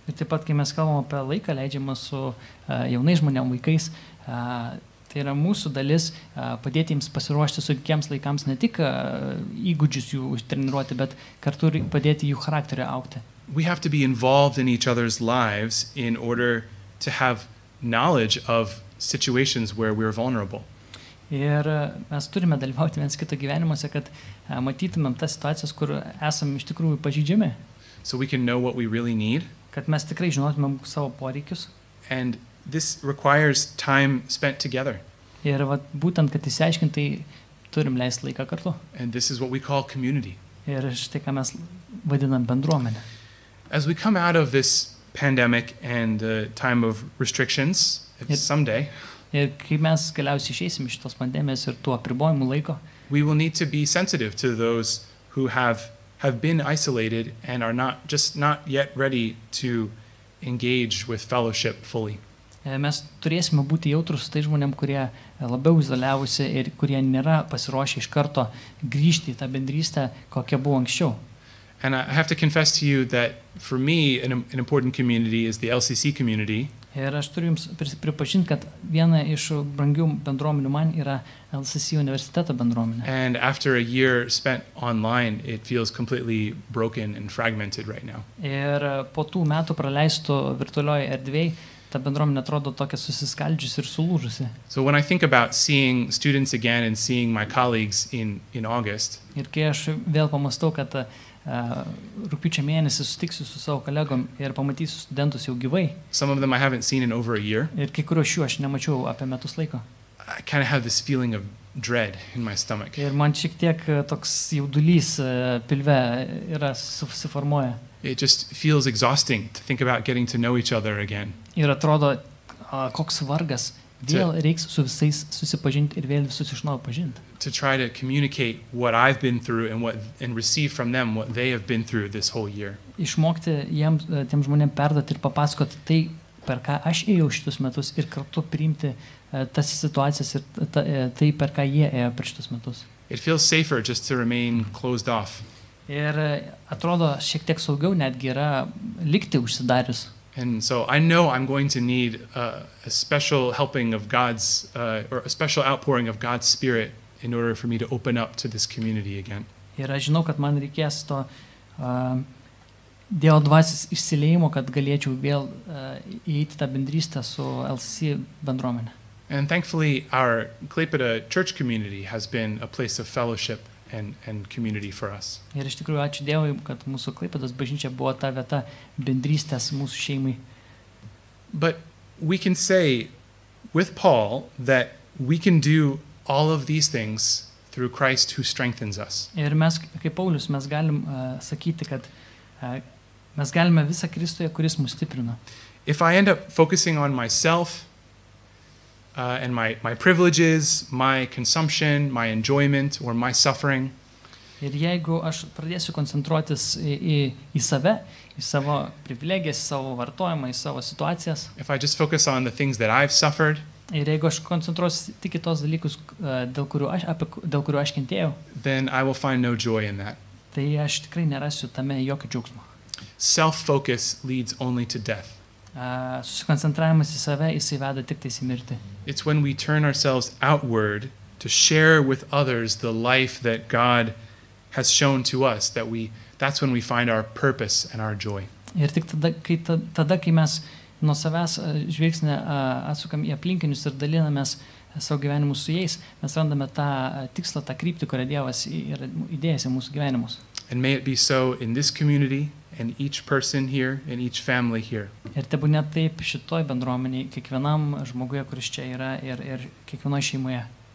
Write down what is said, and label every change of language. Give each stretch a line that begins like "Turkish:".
Lithuanian: Ir taip pat, kai mes kalbam apie laiką leidžiamą su jaunais žmonėm, vaikais, tai yra mūsų dalis padėti jiems pasiruošti sunkiems laikams, ne tik įgūdžius jų treniruoti, bet kartu ir padėti jų charakterį augti.
English: We have to be involved in each other's lives in order to have knowledge of situations where we are vulnerable.
Lithuanian: Ir mes turime dalyvauti vienas kito gyvenimuose, kad matytumėm tas situacijas, kur esam iš tikrųjų pažeidžiami.
English: So we can know what we really need.
Lithuanian: Kad mes tikrai žinotumėm savo poreikius.
English: And this requires time spent together.
Lithuanian: Ir vat būtent, kad išsiaiškint, tai turim leisti laiką kartu.
English: And this is what we call community.
Lithuanian: Ir štai ką mes vadinam bendruomenę.
English: As we come out of this pandemic and the time of restrictions, someday.
Lithuanian: Ir kai mes galiausiai išeisim iš tos pandemijos ir tų apribojimų laiko,
English: we will need to be sensitive to those who have been isolated and are not yet ready to engage with fellowship fully.
Lithuanian: Mes turėsime būti jautrus tai žmonėm, kurie labiau izoliavusi ir kurie nėra pasiruošę iš karto grįžti į tą bendrystę, kokia buvo anksčiau.
English: And I have to confess to you that for me an important community is the LCC community.
Lithuanian: Ir aš turiu jums pripažinti, kad viena iš brangių bendruomenių man yra LCC universiteto bendruomenė.
English: And after a year spent online, it feels completely broken and fragmented right now.
Lithuanian: Ir po tų metų praleistų virtualioje erdvėje, ta bendruomenė atrodo tokia susiskaldžiusi ir sulūžusi.
English: So when I think about seeing students again and seeing my colleagues in August.
Lithuanian: Ir kai aš vėl pamastau, kad rūpiučio mėnesį susitiksiu su savo kolegom ir pamatysiu studentus jau gyvai.
English: Some of them I haven't seen in over a year.
Lithuanian: Ir kai kurios šių aš nemačiau apie metus laiko.
English: I kind of have this feeling of dread in my stomach.
Lithuanian: Ir man šiek tiek toks jaudulys pilve yra susiformuoja.
English: It just feels exhausting to think about getting to know each other again.
Lithuanian: Ir atrodo, koks vargas vėl reiks su visais susipažinti ir vėl visus iš naujo pažinti.
English: To try to communicate what I've been through and receive from them what they have been through this whole year.
Lithuanian: Išmokti jiems, tiem žmonėm perduoti ir papasakoti tai, per ką aš ėjau šitus metus ir kartu priimti tas situacijas ir tai, per ką jie ėjo per šitus metus.
English: It feels safer just to remain closed off.
Lithuanian: Ir atrodo šiek tiek saugiau netgi yra likti užsidarius.
English: And so I know I'm going to need a special helping of God's or a special outpouring of God's spirit in order for me to open up to this community again.
Lithuanian: Ir aš žinau, kad man reikės to Dievo dvasės išsiliejimo, kad galėčiau vėl įeiti tą bendrystę su LCC bendruomene.
English: And thankfully our Klaipėda church community has been a place of fellowship and community for us.
Lithuanian: Ir iš tikrųjų ačiū Dievui, kad mūsų Klaipėdos bažnyčia buvo ta vieta bendrystės mūsų šeimai.
English: But we can say with Paul that we can do all of these things through Christ who strengthens us.
Lithuanian: Ir mes kaip Paulius mes galim sakyti, kad mes galime visą Kristuje, kuris mus stiprina.
English: If I end up focusing on myself and my privileges, my consumption, my enjoyment or my suffering.
Lithuanian: Ir jeigu aš pradėsiu koncentruotis į save, į savo privilegijas, savo vartojimą, į savo situacijas.
English: If I just focus on the things that I've suffered.
Lithuanian: Ir jeigu aš koncentruosiu tik į tos dalykus, dėl kurių aš kentėjau,
English: then I will find no joy in that.
Lithuanian: Tai aš tikrai nerasiu tame jokio džiaugsmo.
English: Self-focus leads only to death.
Lithuanian: Susikoncentravimas į save, jisai veda tik tais į mirtį.
English: It's when we turn ourselves outward to share with others the life that God has shown to us, that's when we find our purpose and our joy.
Lithuanian: Ir tik tada, kai mes nuo savęs žvilgsnį atsukam į aplinkinius ir dalinamės savo gyvenimu su jais, mes randame tą tikslą, tą kryptį, kurią Dievas yra įdėjęs į mūsų gyvenimus.
English: And may it be so in this community and each person here and each family here.
Lithuanian: Ir tebūnė taip šitoj bendruomenėj, kiekvienam žmoguje, kuris čia yra ir kiekvienoje šeimoje.